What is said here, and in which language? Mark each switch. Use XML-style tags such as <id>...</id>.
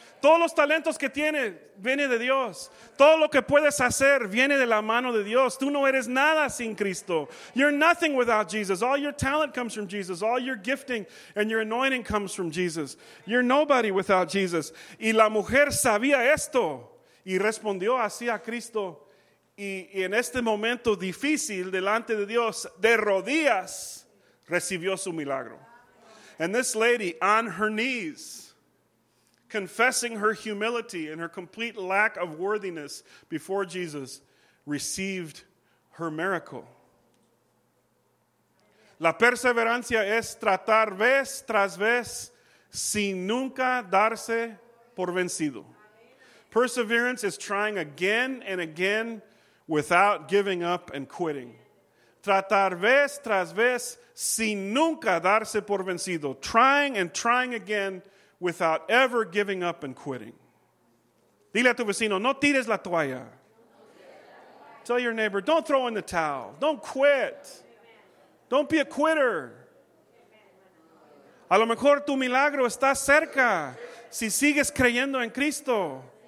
<es>Todos los talentos que tienes viene de Dios. Todo lo que puedes hacer viene de la mano de Dios. Tú no eres nada sin Cristo.</es> <en>You're nothing without Jesus. All your talent comes from Jesus. All your gifting and your anointing comes from Jesus. You're nobody without Jesus.</en> <es>Y la mujer sabía esto y respondió así a Cristo. Y en este momento difícil delante de Dios, de rodillas, recibió su milagro.</es> <en>And this lady on her knees, confessing her humility and her complete lack of worthiness before Jesus, received her miracle.</en> <es>La perseverancia es tratar vez tras vez sin nunca darse por vencido.</es> <en>Perseverance is trying again and again without giving up and quitting.</en> <es>Tratar vez tras vez sin nunca darse por vencido.</es> <en>Trying and trying again without ever giving up and quitting.</en> <es>Dile a tu vecino, no tires la toalla.</es> <en>Tell your neighbor, don't throw in the towel. Don't quit. Don't be a quitter.</en> <es>A lo mejor tu milagro está cerca si sigues creyendo en Cristo.</es>